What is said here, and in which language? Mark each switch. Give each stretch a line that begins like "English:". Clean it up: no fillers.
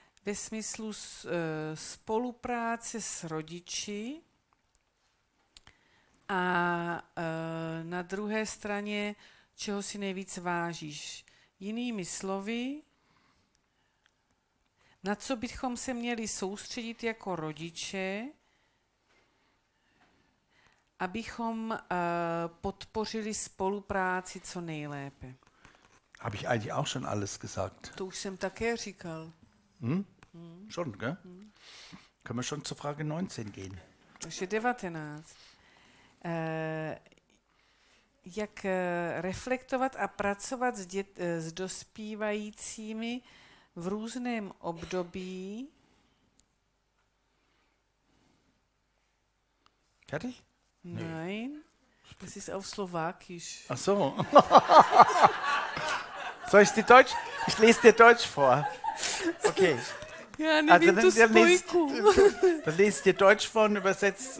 Czech: ve smyslu spolupráce s rodiči a na druhé straně, čeho si nejvíc vážíš. Jinými slovy, na co bychom se měli soustředit jako rodiče, abychom podpořili spolupráci co nejlépe.
German: Habe ich eigentlich auch schon alles gesagt?
Czech: To už jsem také říkal.
German: Schon, gell? Können wir schon zur Frage 19 gehen.
Czech: Takže 19. Jak reflektovat a pracovat s dospívajícími v různém období?
German: Fertig? Nein, das ist auf Slowakisch. Ach so. Soll ich dir Deutsch? Ich lese dir Deutsch vor. Okay. Ja, also, dann lest dir Deutsch vor und übersetzt.